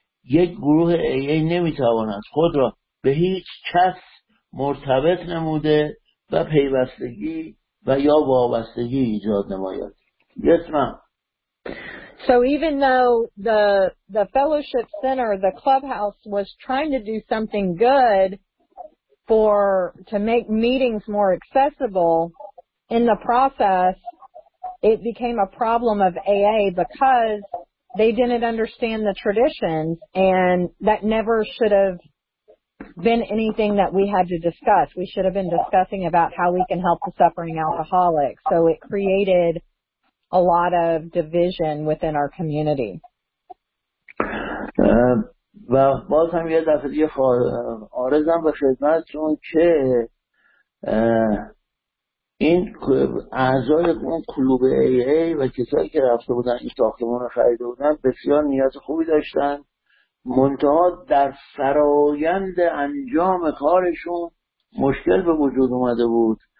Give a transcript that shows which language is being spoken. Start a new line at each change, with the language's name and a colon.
Persian: یک گروه ای ای نمیتواند خود را به هیچ کس مرتبط نموده و پیوستگی و یا وابستگی ایجاد نماید.
English: Yes, ma'am. So even though the fellowship center, the clubhouse, was trying to do something good to make meetings more accessible, in the process, it became a problem of AA because they didn't understand the traditions, and that never should have been anything that we had to discuss. We should have been discussing about how we can help the suffering alcoholic. So it created a lot of division within our community.
Persian: و باز هم یه دفعه دیگه عارضم به خدمت، چون که این اعضای اون کلوب ای ای و کسایی که رفته بودن این ساختمان رو خریده بودن بسیار نیاز خوبی داشتن، منتها در فرایند انجام کارشون مشکل به وجود اومده بود.